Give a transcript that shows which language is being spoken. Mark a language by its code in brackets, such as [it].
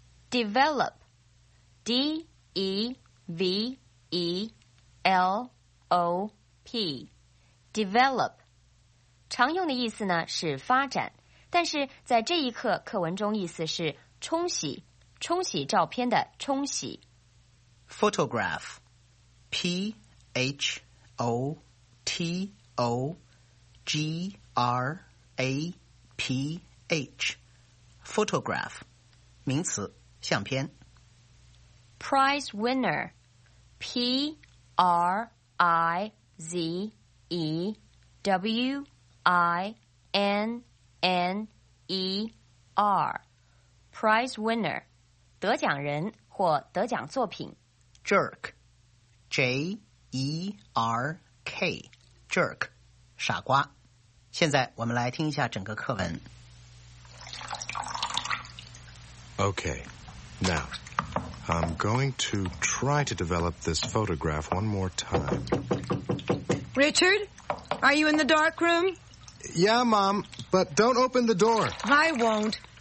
[en] develop， develop， develop， [zh] 常用的意思呢是发展，但是在这一课课文中意思是冲洗，冲洗照片的冲洗。 [en] photograph， photograph， photograph， [zh] 名词，相片。 [en] prize winner， prizewinner， prize winner， [zh] 得奖人或得奖作品。 [en] jerk， jerk， jerk， [zh] 傻瓜。现在我们来听一下整个课文。 [en] Okay, now, I'm going to try to develop this photograph one more time. Richard, are you in the dark room? Yeah, Mom, but don't open the door. I won't.